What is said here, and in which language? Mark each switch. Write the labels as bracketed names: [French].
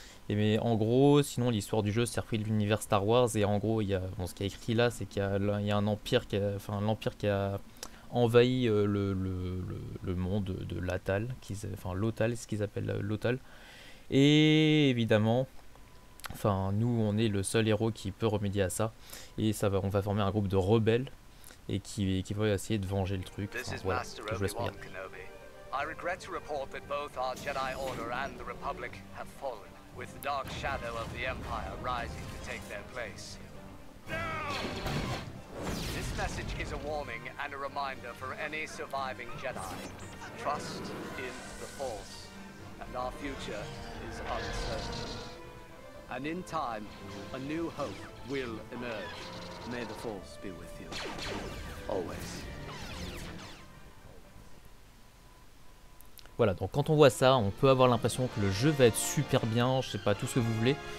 [French] Et mais en gros, sinon, l'histoire du jeu s'est repris de l'univers Star Wars, et en gros, il y a, bon, ce qui est écrit là, c'est qu'il y a un empire qui a, enfin, l'empire qui a envahi le monde de Lothal, enfin, Lothal, ce qu'ils appellent Lothal. Et évidemment, enfin, nous, on est le seul héros qui peut remédier à ça, et ça va, on va former un groupe de rebelles. Et qui va essayer de venger le truc. Enfin, voilà, que je l'espère. [English] I regret to report that both our Jedi Order and the Republic have fallen, with the dark shadow of the Empire rising to take their place. This message is a warning and a reminder for any surviving Jedi. Trust in the Force, and our future is uncertain. And in time, a new hope will emerge. May the Force be with you. Always. [French] Voilà, donc quand on voit ça, on peut avoir l'impression que le jeu va être super bien, je sais pas, tout ce que vous voulez.